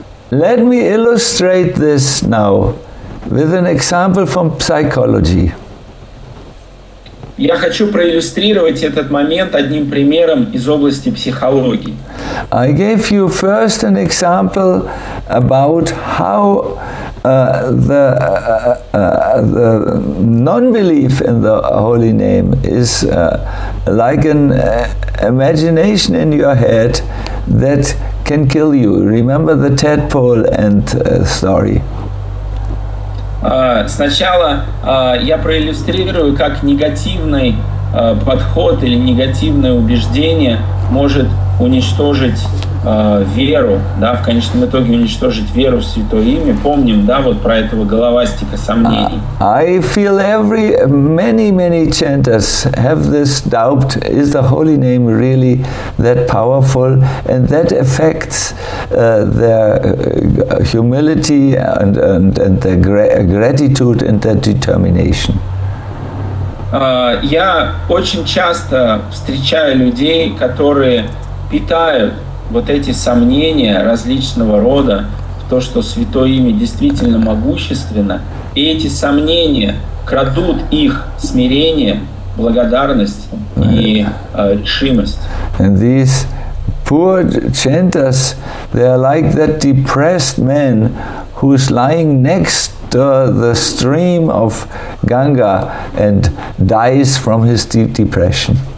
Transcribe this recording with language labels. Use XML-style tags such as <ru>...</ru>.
<en>Let me illustrate this now with an example from psychology.</en> <ru>Я хочу проиллюстрировать этот момент одним примером из области психологии.</ru> <en>I gave you first an example about how the non-belief in the holy name is like an imagination in your head that can kill you. Remember the tadpole and story.</en> <ru>Сначала я проиллюстрирую, как негативный подход или негативное убеждение может уничтожить веру, да, в конечном итоге уничтожить веру в святое имя. Помним, да, вот про этого головастика сомнений.</ru> <en>I feel many chanters have this doubt. Is the holy name really that powerful? And that affects their humility and their gratitude and their determination.</en> <ru>Я очень часто встречаю людей, которые питают вот эти сомнения различного рода в то, что святое имя действительно могущественно, и эти сомнения крадут их смирение, благодарность и решимость.</ru> <en>And these poor chanters, they are like that depressed man who's lying next to the stream of Ganga and dies from his deep depression.</en>